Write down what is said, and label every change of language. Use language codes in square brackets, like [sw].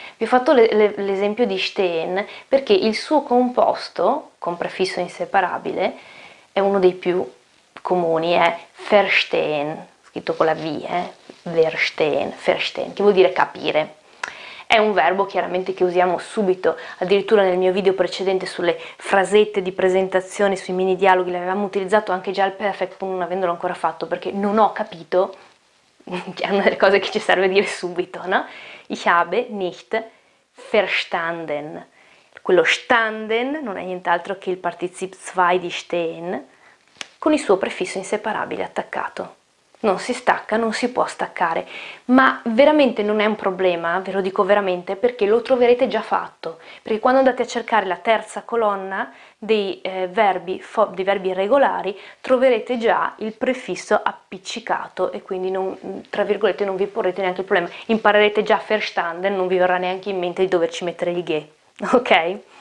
[it] Vi ho fatto l'esempio di stehen perché il suo composto con prefisso inseparabile è uno dei più comuni, è verstehen, scritto con la V, verstehen, che vuol dire capire. È un verbo chiaramente che usiamo subito, addirittura nel mio video precedente sulle frasette di presentazione, sui mini dialoghi, l'avevamo utilizzato anche già al perfect, non avendolo ancora fatto, perché non ho capito, che è una delle cose che ci serve dire subito, no? [de] Ich habe nicht verstanden. [it] Quello standen non è nient'altro che il Partizip 2 di stehen, con il suo prefisso inseparabile attaccato. Non si stacca, non si può staccare, ma veramente non è un problema, ve lo dico veramente, perché lo troverete già fatto, perché quando andate a cercare la terza colonna dei verbi irregolari, troverete già il prefisso appiccicato e quindi non, tra virgolette, non vi porrete neanche il problema, imparerete già verstanden, non vi verrà neanche in mente di doverci mettere il ge, ok?